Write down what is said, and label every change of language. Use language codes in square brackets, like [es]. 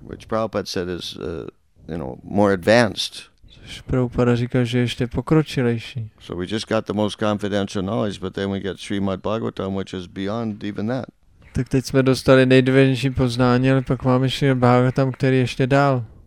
[en] Which Prabhupada said is, you know, more advanced. [cs] Což Prabhupada říká, že ještě pokročilejší. [en] So we just got the most confidential knowledge, but then we get Srimad Bhagavatam, which is beyond even that. [cs] Tak teď jsme dostali nejdůležitější poznání, ale pak máme Srimad Bhagavatam, který ještě dál.